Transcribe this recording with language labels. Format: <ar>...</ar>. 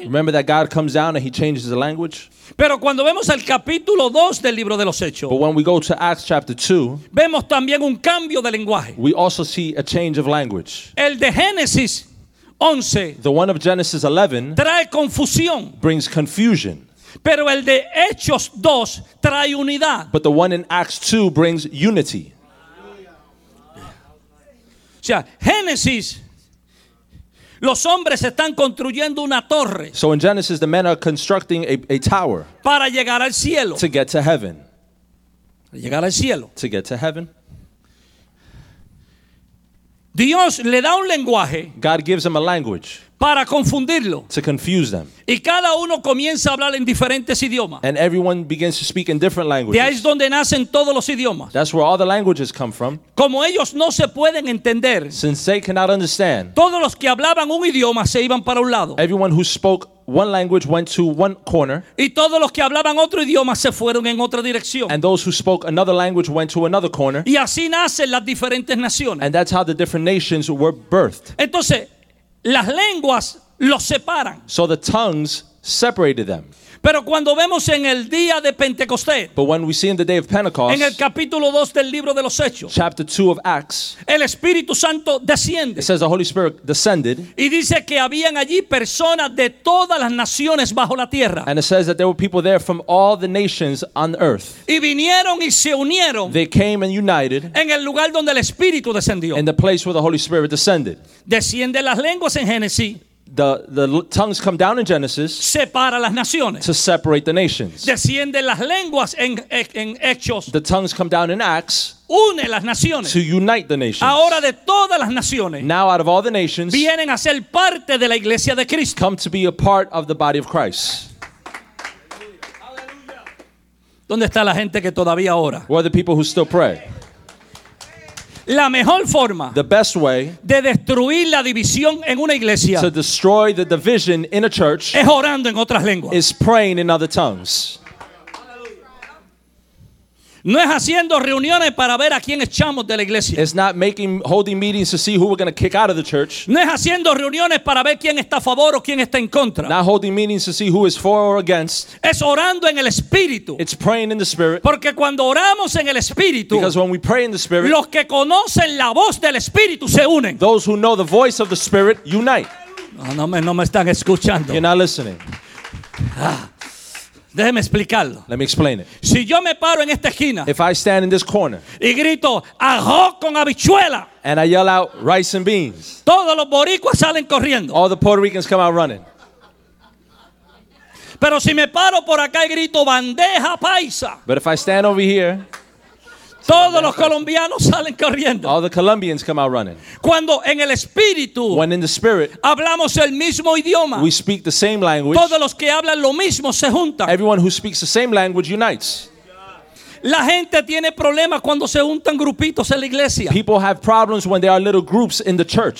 <en>Remember that God comes down and he changes the language.</en> <es>Pero cuando vemos el capítulo 2 del libro de los Hechos.</es> <en>But when we go to Acts chapter 2.</en> <es>Vemos también un cambio de lenguaje.</es> <en>We also see a change of language.</en> <es>El de Génesis 11.</es> <en>The one of Genesis 11.</en> <es>Trae confusión.</es> <en>Brings confusion.</en> <es>Pero el de Hechos 2 trae unidad.</es> <en>But the one in Acts 2 brings unity.</en> <es>O sea, Génesis. Los hombres están construyendo una torre.</es> <en>So in Genesis, the men are constructing a tower.</en> <es>Para llegar al cielo.</es> <en>To get to heaven.</en> <es>Para llegar al cielo.</es> <en>To get to heaven.</en> <es>Dios le da un lenguaje.</es> <en>God gives them a language.</en> <es>Para confundirlo.</es> <en>To confuse them.</en> <es>Y cada uno comienza a hablar en diferentes idiomas.</es> <en>And everyone begins to speak in different languages.</en> <es>De ahí es donde nacen todos los idiomas.</es> <en>That's where all the languages come from.</en> <es>Como ellos no se pueden entender.</es> <en>Since they cannot understand.</en> <es>Todos los que hablaban un idioma se iban para un lado.</es> <en>Everyone who spoke one language went to one corner.</en> <es>Y todos los que hablaban otro idioma se fueron en otra dirección.</es> <en>And those who spoke another language went to another corner.</en> <es>Y así nacen las diferentes naciones.</es> <en>And that's how the different nations were birthed.</en> <es>Entonces, las lenguas los separan.</es> <en>So the tongues separated them.</en> <es>Pero cuando vemos en el día de Pentecostés.</es> <en>But when we see in the day of Pentecost.</en> <es>En el capítulo 2 del libro de los Hechos.</es> <en>Chapter 2 of Acts.</en> <es>El Espíritu Santo desciende.</es> <en>It says the Holy Spirit descended.</en> <es>Y dice que habían allí personas de todas las naciones bajo la tierra.</es> <en>And it says that there were people there from all the nations on earth.</en> <es>Y vinieron y se unieron.</es> <en>They came and united.</en> <es>En el lugar donde el Espíritu descendió.</es> <en>In the place where the Holy Spirit descended.</en> <es>Descienden las lenguas en Génesis.</es> <en>The tongues come down in Genesis.</en> <es>Separa las naciones.</es> <en>To separate the nations.</en> <es>Desciende las lenguas en Hechos.</es> <en>The tongues come down in Acts.</en> <es>Une las naciones.</es> <en>To unite the nations.</en> <es>Ahora de todas las naciones.</es> <en>Now out of all the nations.</en> <es>Vienen a ser parte de la iglesia de Cristo.</es> <en>Come to be a part of the body of Christ.</en> <es>¿Dónde está la gente que todavía ora?</es> <en>Where are the people who still pray?</en> <es>La mejor forma,</es> <en>the best way,</en> <es>de destruir la división en una iglesia,</es> <en>to destroy the division in a church,</en> <es>es orando en otras lenguas,</es> <en>is praying in other tongues.</en> <es>No es haciendo reuniones para ver a quién echamos de la iglesia.</es> <en>It's not making holding meetings to see who we're going to kick out of the church.</en> <es>No es haciendo reuniones para ver quién está a favor o quién está en contra.</es> <en>Not holding meetings to see who is for or against.</en> <es>Es orando en el espíritu.</es> <en>It's praying in the spirit.</en> <es>Porque cuando oramos en el espíritu,</es> <en>because when we pray in the spirit,</en> <es>los que conocen la voz del espíritu se unen.</es> <en>Those who know the voice of the spirit unite.</en> <es>No me están escuchando.</es> <en>You're not listening.</en> <es>Déjeme explicarlo.</es> <en>Let me explain it.</en> <es>Si yo me paro en esta esquina,</es> <en>if I stand in this corner,</en> <es>y grito arroz con habichuela,</es> <en>and I yell out rice and beans,</en> <es>todos los boricuas salen corriendo.</es> <en>All the Puerto Ricans come out running.</en> <es>Pero si me paro por acá y grito bandeja paisa,</es> <en>but if I stand over here,</en> <es>todos los colombianos salen corriendo.</es> <en>All the Colombians come out running.</en> <es>Cuando en el espíritu,</es> <en>when in the spirit,</en> <es>hablamos el mismo idioma,</es> <en>we speak the same language,</en> <es>todos los que hablan lo mismo se juntan.</es> <en>Everyone who speaks the same language unites.</en> <es>La gente tiene problemas cuando se juntan grupitos en la iglesia.</es> <en>People have problems when there are little groups in the church.</en>